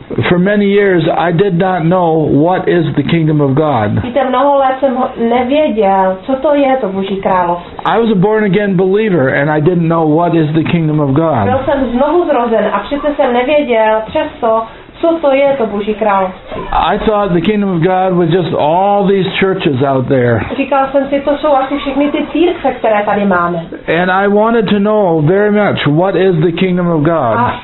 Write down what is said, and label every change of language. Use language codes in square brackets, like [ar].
[en] For many years, I did not know what is the kingdom of God. [cs] Víte, mnoho let jsem nevěděl, co to je to Boží království. [en] I was a born again believer, and I didn't know what is the kingdom of God. [cs] Byl jsem znovu zrozen a přece jsem nevěděl přesto, co to je to Boží království. [en] I thought the kingdom of God was just all these churches out there. [cs] Říkal jsem si, to jsou asi všechny ty církve, které tady máme. [en] And I wanted to know very much what is the kingdom of God.